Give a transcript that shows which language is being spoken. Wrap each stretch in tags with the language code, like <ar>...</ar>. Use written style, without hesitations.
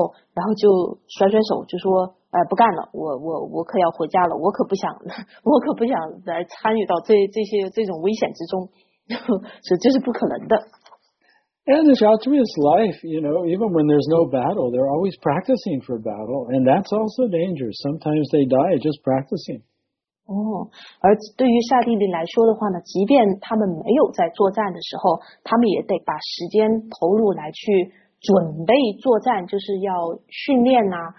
<zh>甚至是即便对于现代的这些刹帝利来说，就我们都知道，就是比如说军人啊，然后或者是消防员啊，然后或者是警察等等，这种就属于现代刹帝利的阶层嘛。然后他们也不可能，就他们是属于公务员的这种性质，对吧？然后他们也不可能说在面对危险出现的时候，然后就甩甩手就说， 不干了，我可不想来参与到这种危险之中，这是不可能的。And</zh> <en>the Kshatriya's life, you know, even when there's no battle, they're always practicing for battle, and that's also dangerous. Sometimes they die just practicing.</en> <zh>而对于刹帝利来说的话呢，即便他们没有在作战的时候，他们也得把时间投入来去准备作战，就是要训练啊。</zh>